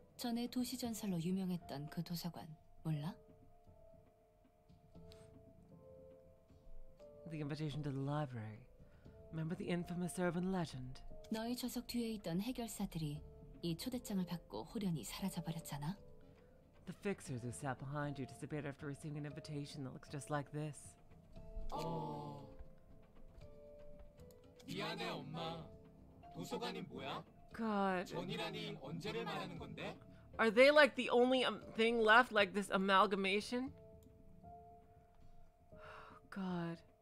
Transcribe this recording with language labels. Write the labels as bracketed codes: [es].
[ko] 전에 도시 전설로 유명했던 그 도서관. 몰라? [en] The invitation to the library. Remember the infamous urban legend? [ko] 너희 좌석 뒤에 있던 해결사들이 이 초대장을 받고 호련히 사라져버렸잖아. [en] The fixers who sat behind you disappeared after receiving an invitation that looks just like this. [ko] 미안해, 엄마. 도서관이 뭐야? [en] God. [ko] 전이라니 언제를 말하는 건데? [en] Are they like the only thing left, like this amalgamation? God.